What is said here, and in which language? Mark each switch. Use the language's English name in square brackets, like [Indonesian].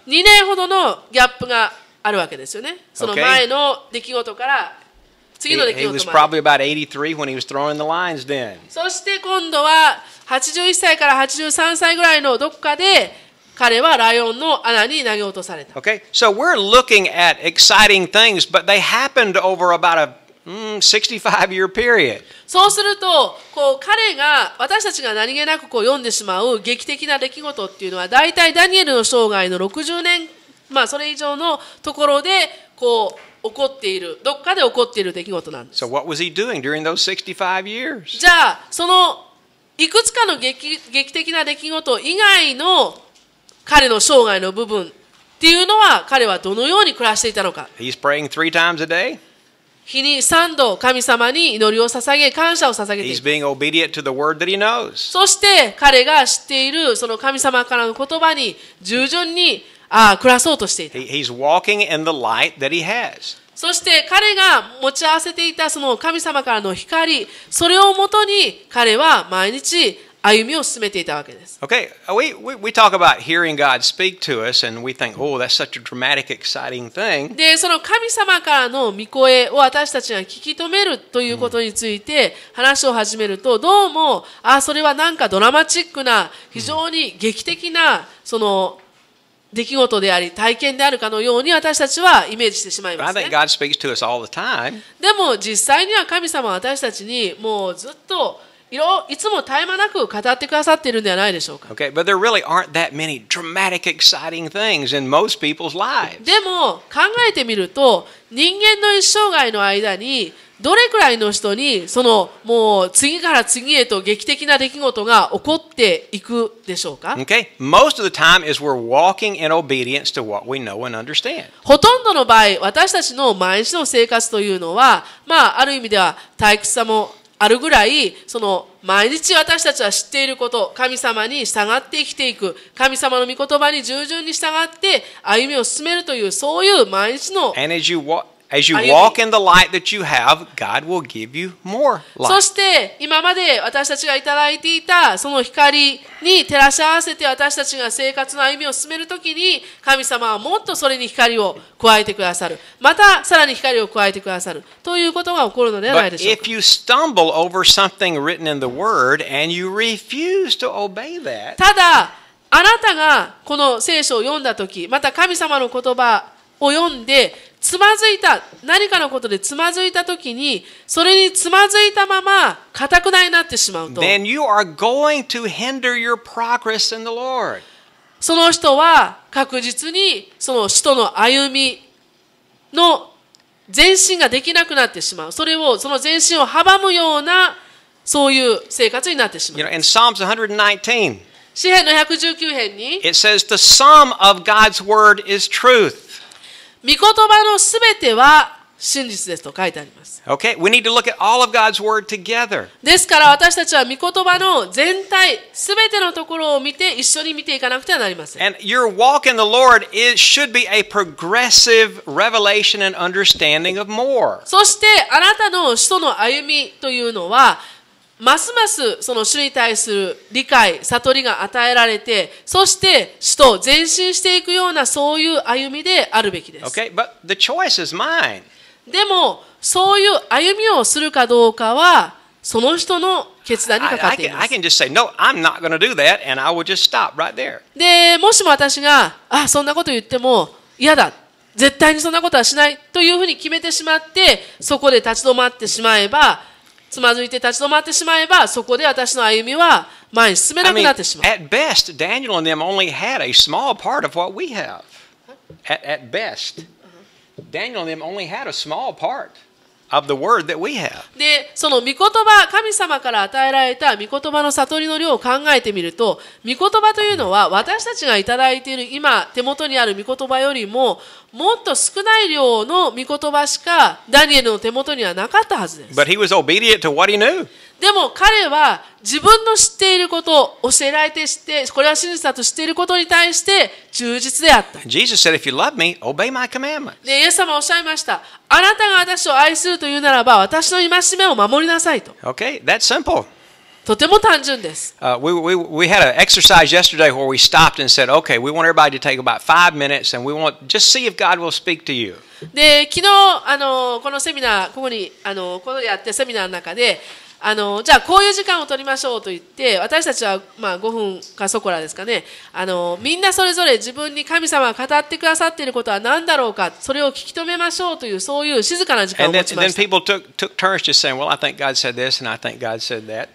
[Japanese] 2年ほどのギャップがあるわけですよね。その前の出来事から。 [English] He was probably about 83 when he was throwing the lines then. [Japanese] そして今度は81歳から83歳ぐらいのどこかで彼はライオンの穴に投げ落とされた。 [English] Okay, so we're looking at exciting things, but they happened over about a 65 year period. [Japanese] そうするとこう彼が私たちが何気なくこう読んでしまう劇的な出来事っていうのはだいたいダニエルの生涯の60年、まあそれ以上のところでこう起こっている、どっかで起こっている出来事なんです。 [English] So what was he doing during those 65 years? [Japanese] じゃあそのいくつかの劇的な出来事以外の彼の生涯の部分っていうのは彼はどのように暮らしていたのか。 [English] He's praying three times a day. [Japanese] 日に三度神様に祈りを捧げ、感謝を捧げている。 [English] He's being obedient to the word that he knows. [Japanese] そして彼が知っているその神様からの言葉に従順に。ああ暮らそうとしていた。 [English] He's walking in the light that he has. [Japanese] そして彼が持ち合わせていたその神様からの光、それをもとに彼は毎日歩みを進めていたわけです。 [English] Okay, we talk about hearing God speak to us and we think, oh, that's such a dramatic, exciting thing. [Japanese] で、その神様からの御声を私たちが聞き止めるということについて話を始めると、どうも、ああ、それはなんかドラマチックな、非常に劇的な、その、出来事であり体験であるかのように私たちはイメージしてしまいますね。 [English] I think God speaks to us all the time. [Japanese] でも実際には神様は私たちにもうずっと いつも絶え間なく語ってくださっているんではないでしょうか。 [English] Okay, but there really aren't that many dramatic, exciting things in most people's lives. [Japanese] でも考えてみると人間の一生涯の間にどれくらいの人にそのもう次から次へと劇的な出来事が起こっていくでしょうか。 [English] Okay, most of the time is we're walking in obedience to what we know and understand. [Japanese] ほとんどの場合、私たちの毎日の生活というのは、まあある意味では退屈さもあるぐらい、その毎日私たちは知っていること、神様に従って生きていく、神様の御言葉に従順に従って歩みを進めるというそういう毎日の。 [English] And as you walk As you walk in the light that you have, God will give you more light. [Japanese] そして今まで私たちがいただいていたその光に照らし合わせて私たちが生活の歩みを進めるときに、神様はもっとそれに光を加えてくださる。またさらに光を加えてくださるということが起こるのではないでしょうか。 [English] If you stumble over something written in the Word and you refuse to obey that, [Japanese] ただあなたがこの聖書を読んだとき、また神様の言葉を読んでつまずいた、何かのことでつまずいたときに、それにつまずいたまま固くなになってしまうと、 [English] Then you are going to hinder your progress in the Lord. [Japanese] その人は確実にその使徒の歩みの前進ができなくなってしまう。それをその前進を阻むようなそういう生活になってしまう。 [English] You know, in Psalms 119, [Japanese] 詩篇の119編に、 [English] It says the sum of God's word is truth. [Japanese] 御言葉のすべては真実ですと書いてあります。 [English] Okay, we need to look at all of God's word together. [Japanese] ですから私たちは御言葉の全体、すべてのところを見て一緒に見ていかなくてはなりません。 [English] And your walk in the Lord it should be a progressive revelation and understanding of more. [Japanese] そしてあなたの使徒の歩みというのは、ますますその主に対する理解、悟りが与えられて、そして主と前進していくようなそういう歩みであるべきです。 [English] Okay, but the choice is mine. [Japanese] でも、そういう歩みをするかどうかは、その人の決断にかかっています。 [English] I can just say, no, I'm not going to do that, and I will just stop right there. [Japanese] で、もしも私が、あ、そんなこと言っても嫌だ。絶対にそんなことはしないというふうに決めてしまって、そこで立ち止まってしまえば、つまずいて立ち止まってしまえば、そこで私の歩みは前に進めなくなってしまう。 [English] At best, Daniel and them only had a small part of what we have. At best, Daniel and them only had a small part of the word that we have. [Japanese] で、その御言葉、神様から与えられた御言葉の悟りの量を考えてみると、御言葉というのは私たちがいただいている今手元にある御言葉よりももっと少ない量の御言葉しかダニエルの手元にはなかったはずです。 [English] But he was obedient to what he knew. [Japanese] でも彼は自分の知っていることを教えられて知って、これは真実だと知っていることに対して忠実であった。 [English] Jesus said, "If you love me, obey my commandments." [Japanese] で、イエス様はおっしゃいました。あなたが私を愛するというならば、私の戒めを守りなさいと。 [English] Okay, that's simple. [Japanese] とても単純です。 [English] We had an exercise yesterday where we stopped and said, okay, we want everybody to take about 5 minutes and we want just see if God will speak to you. [Japanese] で、昨日、このセミナー、ここに、このやってセミナーの中で、じゃあこういう時間を取りましょうと言って、私たちは、まあ、5分かそこらですかね、みんなそれぞれ自分に神様が語ってくださっていることは何だろうか、それを聞き止めましょうという、そういう静かな時間を持ちました。 [English] And then people took turns just saying, well, I think God said this, and I think God said that.